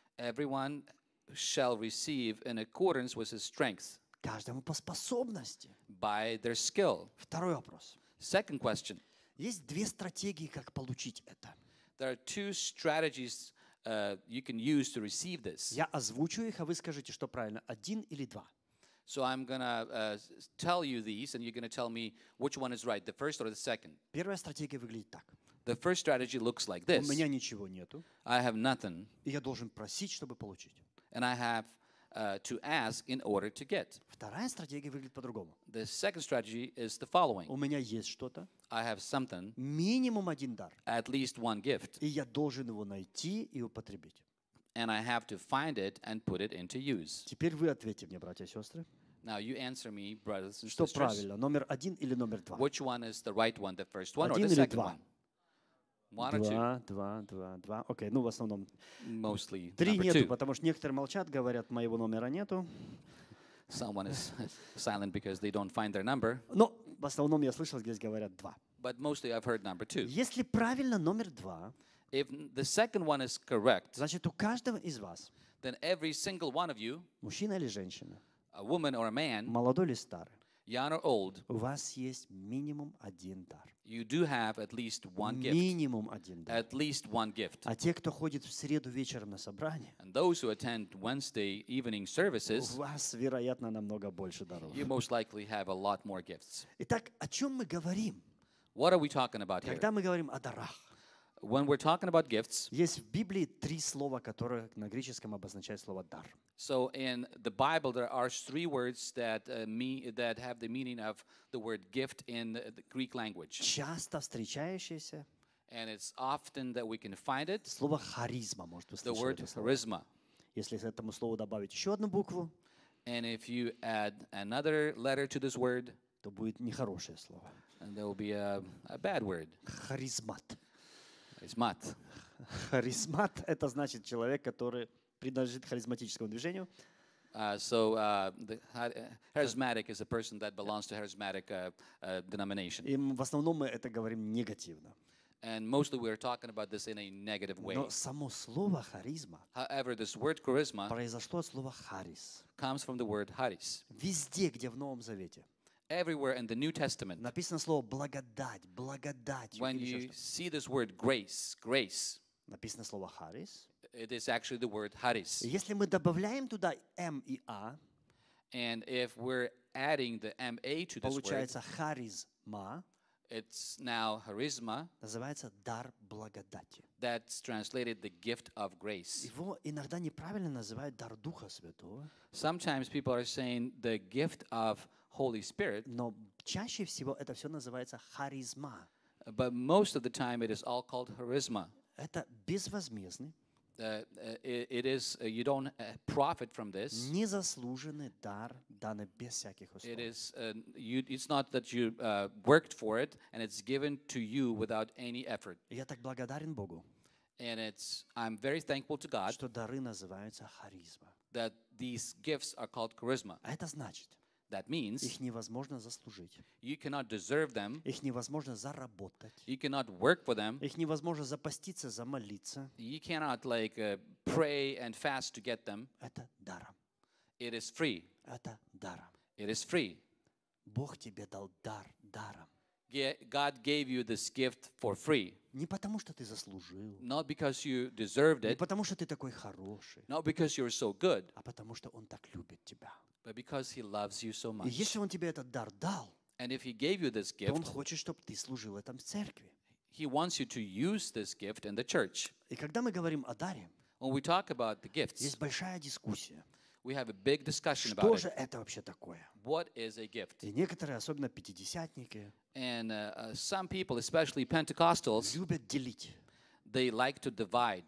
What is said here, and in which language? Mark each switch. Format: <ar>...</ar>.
<en>Everyone shall receive in accordance with his strength.</en> <ru>Каждому по способности.</ru> <en>By their skill.</en> <ru>Второй вопрос.</ru> <en>Second question.</en> <ru>Есть две стратегии, как получить это.</ru> <en>There are two strategies you can use to receive this.</en> <ru>Я озвучу их, а вы скажите, что правильно, один или два.</ru> <en>So I'm going to tell you these, and you're going to tell me which one is right, the first or the second.</en> <ru>Первая стратегия выглядит так.</ru> <en>The first strategy looks like this.</en> <ru>У меня ничего нету.</ru> <en>I have nothing.</en> <ru>И я должен просить, чтобы получить.</ru> <en>And I have to ask in order to get.</en> <ru>Вторая стратегия выглядит по-другому.</ru> <en>The second strategy is the following.</en> <ru>У меня есть что-то.</ru> <en>I have something.</en> <ru>Минимум один дар.</ru> <en>At least one gift.</en> <ru>И я должен его найти и употребить.</ru> <en>And I have to find it and put it into use.</en> <ru>Теперь вы ответьте мне, братья и сестры.</ru> <en>Now you answer me, brothers and sisters.</en> <ru>Что правильно, номер один или номер два?</ru> <en>Which one is the right one, the first one or the second one?</en> <ru>Два. Okay, ну в основном.</ru> <en>Mostly.</en> <ru>Три нету, потому что некоторые молчат, говорят, моего номера нету.</ru> <en>Someone is silent because they don't find their number.</en> <ru>Но в основном я слышал, здесь говорят два.</ru> <en>But mostly I've heard number two.</en> <ru>Если правильно номер два.</ru> <en>If the second one is correct,</en> <ru>значит, у каждого из вас,</ru> <en>then every single one of you,</en> <ru>мужчина или женщина,</ru> <en>a woman or a man,</en> <ru>молодой или старый,</ru> <en>young or old,</en> <ru>у вас есть минимум один дар.</ru> <en>You do have at least one gift.</en> <ru>Минимум один дар.</ru> <en>At least one gift.</en> <ru>А те, кто ходит в среду вечером на собрание,</ru> <en>and those who attend Wednesday evening services,</en> <ru>у вас, вероятно, намного больше даров.</ru> <en>You most likely have a lot more gifts.</en> <ru>Итак, о чем мы говорим?</ru> <en>What are we talking about</en> <ru>Когда</ru> <en>here?</en> <ru>Мы говорим о дарах,</ru> <en>when we're talking about gifts,</en> <ru>есть в Библии три слова, которые на греческом обозначают слово дар.</ru> <en>So in the Bible there are three words that that have the meaning of the word gift in the Greek language.</en> <ru>Часто встречающееся.</ru> <en>And it's often that we can find it.</en> <ru>Слово харизма, может, вы слышали это слово?</ru> <en>The word charisma.</en> <ru>Если к этому слову добавить еще одну букву,</ru> <en>and if you add another letter to this word,</en> <ru>то будет нехорошее слово.</ru> <en>And there will be a bad word.</en> <ru>Харизмат. Харизмат. Харизмат – это значит человек, который принадлежит харизматическому движению.</ru> <en>Charismatic is a person that belongs to charismatic denomination.</en> <ru>И в основном мы это говорим негативно.</ru> <en>And mostly we are talking about this in a negative way.</en> <ru>Но само слово харизма.</ru> <en>However, this word charisma</en> <ru>произошло от слова харис.</ru> <en>Comes from the word харис.</en> <ru>Везде, где в Новом Завете.</ru> <en>Everywhere in the New Testament.</en> <ru>Написано слово благодать, благодать.</ru> <en>When you see this word grace, grace.</en> <ru>Написано слово харис.</ru> <en>It is actually the word харис.</en> <ru>Если мы добавляем туда М и А.</ru> <en>And if we're adding the M A to this word.</en> <ru>Получается харизма.</ru> <en>It's now charisma.</en> <ru>Называется дар благодати.</ru> <en>That's translated the gift of grace.</en> <ru>Его иногда неправильно называют дар Духа Святого.</ru> <en>Sometimes people are saying the gift of Holy Spirit.</en> <ru>Но чаще всего это все называется харизма.</ru> <en>But most of the time it is all called charisma.</en> <ru>Это безвозмездный.</ru> <en>It is you don't profit from this.</en> <ru>Незаслуженный дар, данный без всяких условий.</ru> <en>It is it's not that you worked for it, and it's given to you without any effort.</en> <ru>Я так благодарен Богу.</ru> <en>And I'm very thankful to God.</en> <ru>Что дары называются харизма.</ru> <en>That these gifts are called charisma.</en> <ru>А это значит?</ru> <en>That means</en> <ru>их невозможно заслужить.</ru> <en>You cannot deserve them.</en> <ru>Их невозможно заработать.</ru> <en>You cannot work for them.</en> <ru>Их невозможно запаститься, замолиться.</ru> <en>You cannot pray and fast to get them.</en> <ru>Это даром.</ru> <en>It is free.</en> <ru>Это даром.</ru> <en>It is free.</en> <ru>Бог тебе дал дар даром.</ru> <en>God gave you this gift for free.</en> <ru>Не потому что ты заслужил.</ru> <en>Not because you deserved it.</en> <ru>Не потому что ты такой хороший.</ru> <en>Not because you're so good.</en> <ru>А потому что он так любит тебя.</ru> <en>But because he loves you so much.</en> <ru>И если он тебе этот дар дал,</ru> <en>and if he gave you this gift,</en> <ru>то он хочет, чтобы ты служил там в церкви.</ru> <en>He wants you to use this gift in the church.</en> <ru>И когда мы говорим о даре,</ru> <en>when we talk about the gifts,</en> <ru>есть большая дискуссия.</ru> <en>We have a big discussion</en> <ru>что</ru> <en>about</en> <ru>же</ru> <en>it.</en> <ru>Это вообще такое?</ru> <en>What is a gift?</en> <ru>И некоторые, особенно пятидесятники,</ru> <en>and some people, especially Pentecostals,</en> <ru>любят делить.</ru> <en>They like to divide</en>